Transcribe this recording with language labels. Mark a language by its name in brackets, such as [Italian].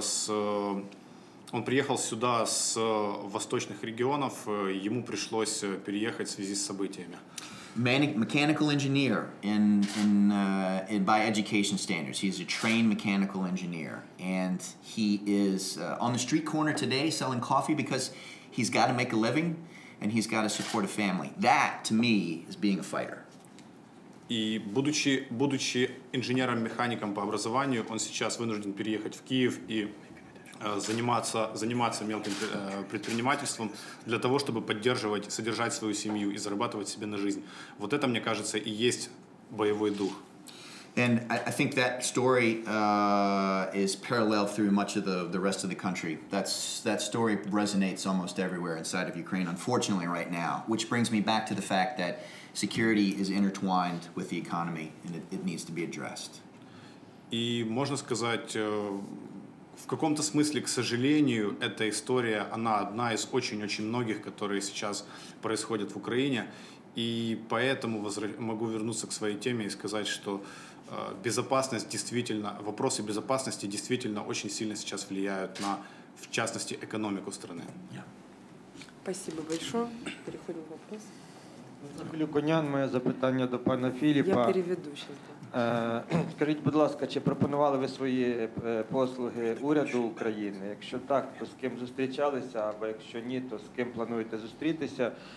[Russian] Он приехал сюда с восточных регионов, ему пришлось переехать в связи с событиями. [English] Mechanical engineer in by education standards. He's a trained mechanical engineer and he is on the street corner today selling coffee because he's got to make a living. And he's got to support a family. That, to me, is being a fighter. [Russian] И будучи инженером-механиком по образованию, он сейчас вынужден переехать в Киев и заниматься мелким предпринимательством для того, чтобы поддерживать, содержать свою семью и зарабатывать себе на жизнь. Вот это, мне кажется, и есть боевой дух. [English] And I think that story is parallel through much of the rest of the country. That story resonates almost everywhere inside of Ukraine, unfortunately, right now. Which brings me back to the fact that security is intertwined with the economy, and it needs to be addressed. [Russian] И можно сказать, в каком-то смысле, к сожалению, эта история, она одна из очень-очень многих, которые сейчас происходят в Украине. И поэтому могу вернуться к своей теме и сказать, что безопасность действительно, вопросы безопасности действительно очень сильно сейчас влияют на, в частности, экономику страны. Спасибо большое. Переходим к вопросу. [Ukrainian] Глюконян, моє запитання до пана Філіпа. [Russian] Я переведу сейчас. Скажите, [Ukrainian] будь ласка, чи пропонували ви свої послуги уряду України? Якщо так, то з ким зустрічалися, або якщо ні, то з ким плануєте зустрітися?